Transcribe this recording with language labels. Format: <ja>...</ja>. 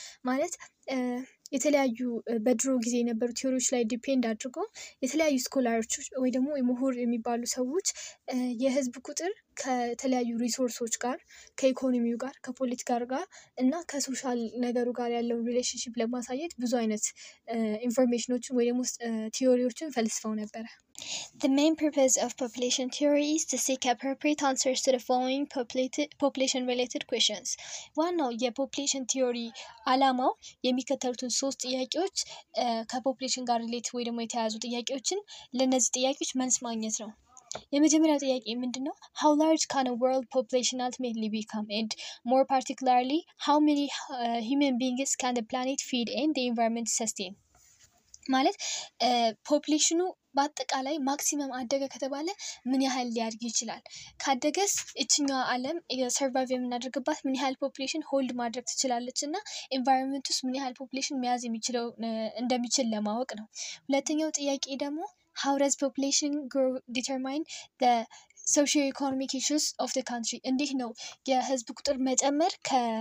<am>ማለት የተለያዩ በድሮ ጊዜ የነበሩ ቲዮሪዎች ላይ ዲፔንድ አድርጎ የተለያዩ ስኮላሮች ወይ ደግሞ ምሁር የሚባሉ ሰዎች የህዝብ ቁጥር ከተለያዩ ሪሶርሶች ጋር ከኢኮኖሚው ጋር ከፖለቲካው ጋር እና ከሶሻል ነገሩ ጋር ያለውን ሪሌሽንሺፕ ለማሳየት ብዙ አይነት ኢንፎርሜሽኖችን ወይ ደግሞ ቲዮሪዎችን ፈልስፈው ነበር።</am> <en>The main purpose of population theory is to seek appropriate answers to the following population related questions.</en> <am>ዋናው የፖፕሌሽን ቲዮሪ አላማው የሚከተሉትን 3 ጥያቄዎች ከፖፕሌሽን ጋር ሪሌት ወይ ደግሞ የተያዙ ጥያቄዎችን ለነዚህ ጥያቄዎች መልስ ማግኘት ነው። የመጀመሪያው ጥያቄ ምንድነው?</am> <en>How large can a world population ultimately become? And more particularly, how many human beings can the planet feed and the environment sustain?</en> <am>ማለት ፖፕሌሽኑ በአጠቃላይ ማክሲመም አደገ ከተባለ ምን ያህል ሊያድግ ይችላል? ካደገስ እችኛዋ ዓለም ሰርቫይቭ የምናደርግባት ምን ያህል ፖፕሌሽን ሆልድ ማድረግ ትችላለች እና ኢንቫይሮንመንት ውስጥ ምን ያህል ፖፕሌሽን መያዝ የሚችለው እንደሚችል ለማወቅ ነው። ሁለተኛው ጥያቄ ደግሞ</am> <en>How does population grow determine the socio-economic issues of the country?</en> <am>እንዲህ ነው የህዝብ ቁጥር መጨመር ከ</am>